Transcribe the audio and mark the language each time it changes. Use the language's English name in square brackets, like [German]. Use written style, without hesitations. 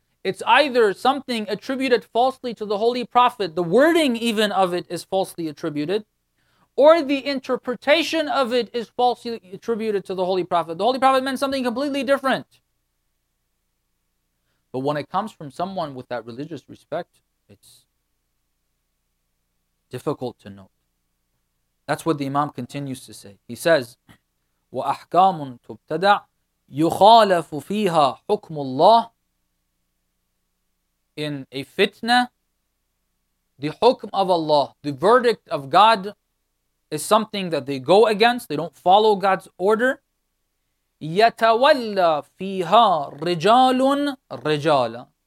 [English] It's either something attributed falsely to the Holy Prophet, the wording even of it is falsely attributed, or the interpretation of it is falsely attributed to the Holy Prophet. The Holy Prophet meant something completely different. But when it comes from someone with that religious respect, it's difficult to note. That's what the Imam continues to say. He says, [Arabic] وَأَحْكَامٌ تُبْتَدَعْ يُخَالَفُ فِيهَا حُكْمُ اللَّهِ. [English] In a fitna, the hukm of Allah, the verdict of God, is something that they go against. They don't follow God's order. [Arabic] يَتَوَلَّ فِيهَا رِجَالٌ رِجَالًا.